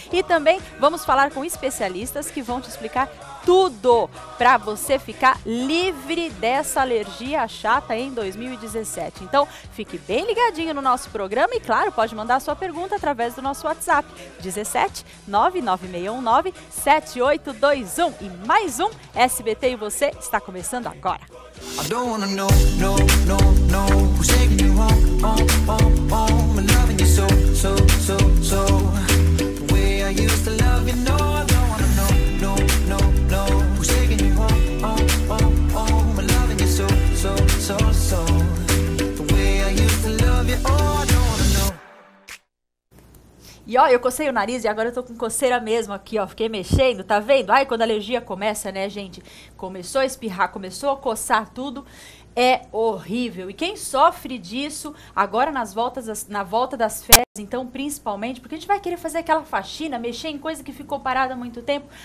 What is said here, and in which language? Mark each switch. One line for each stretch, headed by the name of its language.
Portuguese: E também vamos falar com especialistas que vão te explicar tudo para você ficar livre dessa alergia chata em 2017. Então, fique bem ligadinho no nosso programa e, claro, pode mandar sua pergunta através do nosso WhatsApp. 17 99619-7821. E mais um SBT e Você está começando agora.
English: I don't wanna know, no, no, no, who's taking you home, home, home, home, and loving you so, so, so, so, the way I used to love you, no, I don't wanna know, no, no, no, who's taking you home, home, home, home, and loving you so, so, so, so, the way I used to love you, oh, I don't wanna know.
Portuguese: E ó, eu cocei o nariz e agora eu tô com coceira mesmo aqui, ó, fiquei mexendo, tá vendo? Ai, quando a alergia começa, né, gente? Começou a espirrar, começou a coçar tudo, é horrível. E quem sofre disso agora na volta das férias, então, principalmente, porque a gente vai querer fazer aquela faxina, mexer em coisa que ficou parada há muito tempo.